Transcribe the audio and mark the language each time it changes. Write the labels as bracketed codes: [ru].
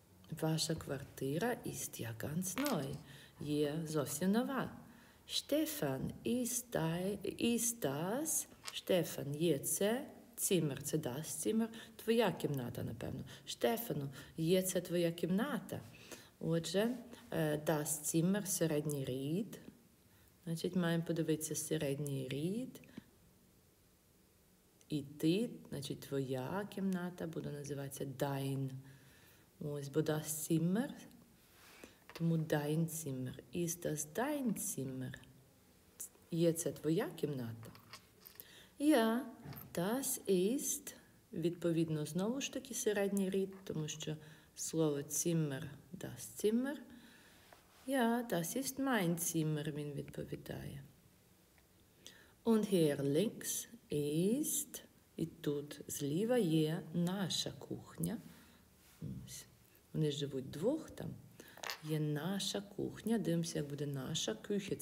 [uk] Ваша квартира [de] ist ja ganz neu. [uk] Є зовсім нова. [de] Штефан, ist das? [uk] Штефан, є це цімер, це das цімер? Твоя кімната, напевно. Штефану, є це твоя кімната? Отже, das цімер, середній рід. Значить, маємо подивитися середній рід. І ти, значить, твоя кімната буде називатися dein. Ось, бо das Zimmer, тому dein Zimmer. [de] Ist das dein Zimmer? [uk] Є це твоя кімната? [de] Ja, das ist, [uk] відповідно, знову ж таки, середній рід, тому що слово Zimmer, das Zimmer. [de] Ja, das ist mein Zimmer, [uk] він відповідає. [de] Und hier links ist, [uk] і тут зліва є наша кухня. Ось. Вони живуть двох там. Є наша кухня. Дивимося, як буде наша кухня.